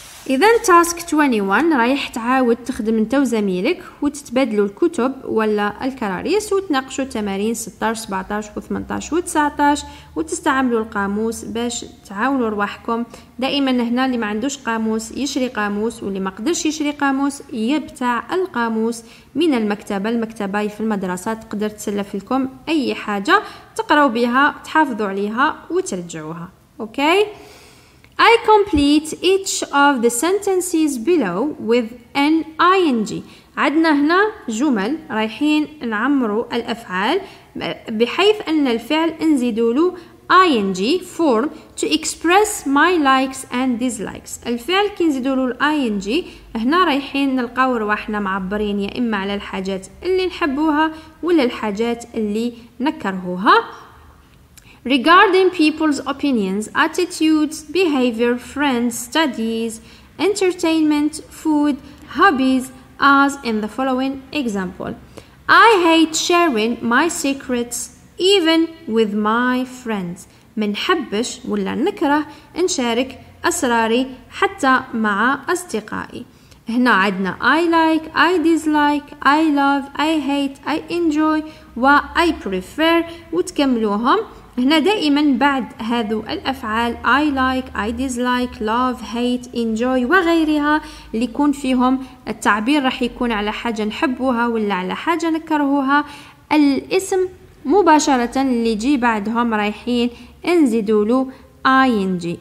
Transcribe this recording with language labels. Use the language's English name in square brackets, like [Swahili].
[Arabic] إذن تاسك 21 رايح تعاود تخدم انت وزميلك وتتبادلوا الكتب ولا الكراريس وتناقشوا تمارين 16 17 و18 و19 وتستعملوا القاموس باش تعاونوا رواحكم. دائما هنا اللي ما عندوش قاموس يشري قاموس, واللي ما قدرش يشري قاموس يبتع القاموس من المكتبة. المكتبة في المدرسة تقدر تسلف لكم أي حاجة تقرأوا بها تحافظوا عليها وترجعوها. [English] Okay, I complete each of the sentences below with an ing. [Arabic] عدنا هنا جمل رايحين نعمروا الأفعال بحيث أن الفعل نزيدوا له [English] ing form to express my likes and dislikes. [Arabic] الفعل كي نزيدوا له ing هنا رايحين نلقاو رواحنا معبرين يا إما على الحاجات اللي نحبوها ولا الحاجات اللي نكرهوها. [English] Regarding people's opinions, attitudes, behavior, friends, studies, entertainment, food, hobbies, as in the following example. I hate sharing my secrets even with my friends. [Arabic] منحبش ولا نكره نشارك أسراري حتى مع أصدقائي. هنا عدنا [English] I like, I dislike, I love, I hate, I enjoy, [Arabic] و [English] I prefer [Arabic] وتكملوهم. هنا دائما بعد هذو الأفعال [English] I like, I dislike, love, hate, enjoy [Arabic] وغيرها اللي يكون فيهم التعبير رح يكون على حاجة نحبوها ولا على حاجة نكرهوها, الاسم مباشرة اللي يجي بعدهم رايحين نزيدوا له ing.